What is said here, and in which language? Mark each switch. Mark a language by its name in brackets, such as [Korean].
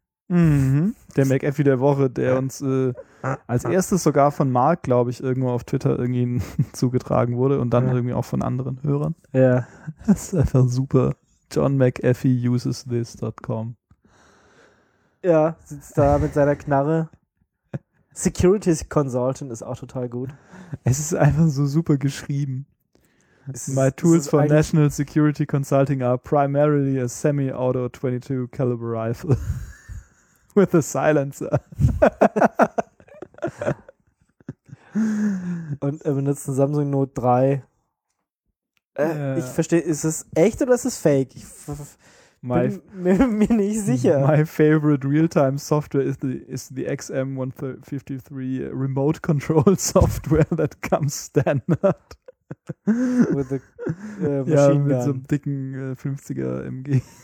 [German] Der McAfee der Woche, der uns als erstes sogar von Mark, glaube ich, irgendwo auf Twitter irgendwie zugetragen wurde und dann irgendwie auch von anderen Hörern. Ja. Das ist einfach super. [English] John McAfee uses this.com. [German] Ja, sitzt da mit seiner Knarre. Security Consultant ist auch total gut. Es ist einfach so super geschrieben. [English] My tools for National Security Consulting are primarily a semi-auto 22 caliber rifle. With a silencer. [German] Und er benutzt ein Samsung Note 3. Ich verstehe, ist es echt oder ist es fake? Ich bin mir nicht sicher. [English] My favorite real-time software is the XM153 remote control software that comes standard. With the Machine Gun. [German] Mit so einem dicken 50er MG.